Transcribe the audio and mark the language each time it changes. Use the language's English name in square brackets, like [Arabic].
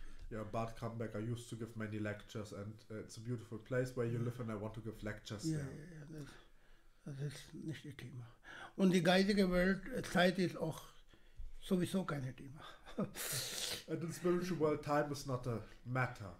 [English] Ja, Bad Camberg, I used to give many lectures and it's a beautiful place where you live and I want to give lectures there. [German] Das ist nicht ihr Thema. Und die geistige Welt, Zeit ist auch sowieso kein Thema. [English] And in spiritual world, time is not a matter.